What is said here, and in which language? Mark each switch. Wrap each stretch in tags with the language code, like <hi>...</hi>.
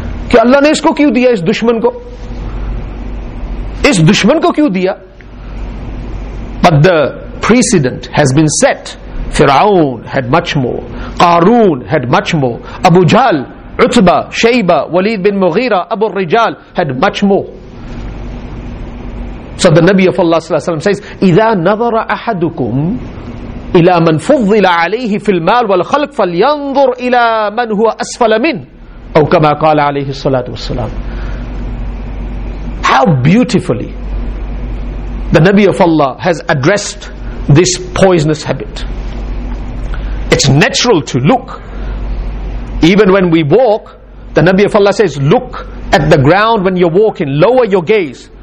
<ur>Ki Allah ne isko kyun diya is dushman ko kyun diya?</ur> <en>But the precedent has been set. Fir'aun had much more. Qarun had much more. Abu Jahl, Utbah, Shaybah, Walid bin Mughira, Abu Rijal had much more. So the Nabi of Allah sallallahu alaihi wasallam says,</en> <ar>إِذَا نَظَرَ أَحَدُكُمْ إِلَى مَنْ فُضِّلَ عَلَيْهِ فِي الْمَالِ وَالْخَلْقِ فَلْيَنْظُرْ إِلَى مَنْ هُوَ أَسْفَلَ مِنْهُ أَوْ كَمَا قَالَ عَلَيْهِ الصَّلَاةُ وَالسَّلَامُ.</ar> <en>How beautifully the Nabi of Allah has addressed this poisonous habit. It's natural to look. Even when we walk, the Nabi of Allah says, look at the ground when you're walking, lower your gaze.</en>